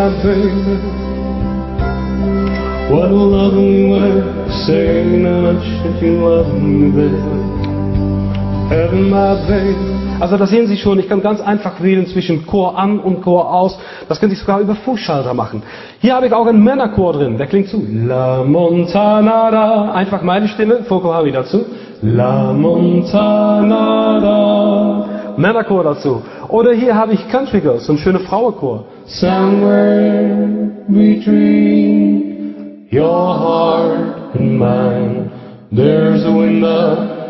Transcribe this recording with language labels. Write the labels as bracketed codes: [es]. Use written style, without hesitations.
[en] What a loving way, saying how much that you love me, baby. Heaven, my baby. [de] Also da sehen Sie schon, ich kann ganz einfach wählen zwischen Chor an und Chor aus. Das könnte ich sogar über Fußschalter machen. Hier habe ich auch einen Männerchor drin, der klingt so. La Montanada. Einfach meine Stimme, Vocal Harmony dazu. La Montanada. Männerchor dazu. Oder hier habe ich Country Girls, so ein schöner Frauenchor. [en] Somewhere between your heart and mine, there's a window.